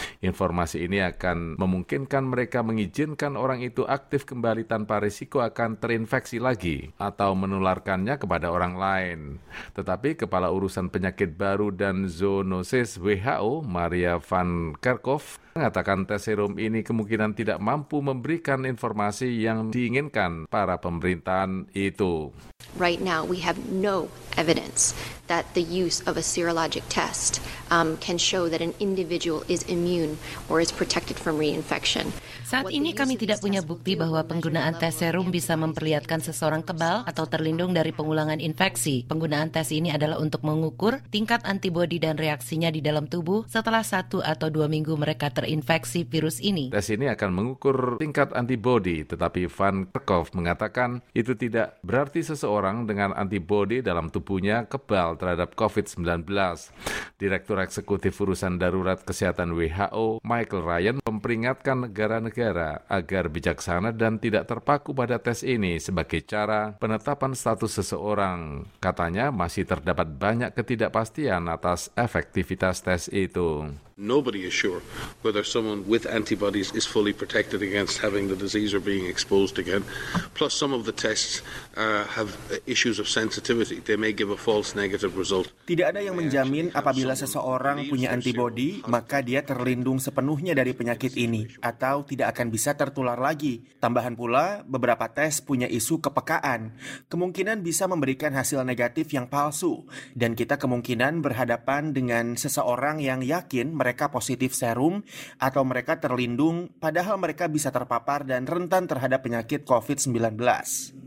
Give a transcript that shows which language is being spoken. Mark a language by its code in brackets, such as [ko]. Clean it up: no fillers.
[id] Informasi ini akan memungkinkan mereka mengizinkan orang itu aktif kembali tanpa risiko akan terinfeksi lagi atau menularkannya kepada orang lain. Tetapi Kepala Urusan Penyakit Baru dan Zoonosis WHO, Maria van Kerkhof, mengatakan tes serum ini kemungkinan tidak mampu memberikan informasi yang diinginkan para pemerintahan itu. [en] Right now we have no evidence that the use of a serologic test can show that an individual is immune or is protected from reinfection. [id] Saat ini kami tidak punya bukti bahwa penggunaan tes serum bisa memperlihatkan seseorang kebal atau terlindung dari pengulangan infeksi. Penggunaan tes ini adalah untuk mengukur tingkat antibodi dan reaksinya di dalam tubuh setelah 1 atau 2 minggu mereka terinfeksi virus ini. Tes ini akan mengukur tingkat antibodi, tetapi Van Kerkhof mengatakan itu tidak berarti seseorang dengan antibodi dalam tubuhnya kebal terhadap COVID-19. Direktur Eksekutif Urusan Darurat Kesehatan WHO, Michael Ryan, memperingatkan negara-negara agar bijaksana dan tidak terpaku pada tes ini sebagai cara penetapan status seseorang. Katanya masih terdapat banyak ketidakpastian atas efektivitas tes itu. [en] Nobody is sure whether someone with antibodies is fully protected against having the disease or being exposed again. Plus, some of the tests have issues of sensitivity. They may give a false negative result. [id] Tidak ada yang menjamin apabila seseorang punya antibody, maka dia terlindung sepenuhnya dari penyakit ini, atau tidak akan bisa tertular lagi. Tambahan pula, beberapa tes punya isu kepekaan. Kemungkinan bisa memberikan hasil negatif yang palsu, dan kita kemungkinan berhadapan dengan seseorang yang yakin mereka positif serum atau mereka terlindung padahal mereka bisa terpapar dan rentan terhadap penyakit COVID-19.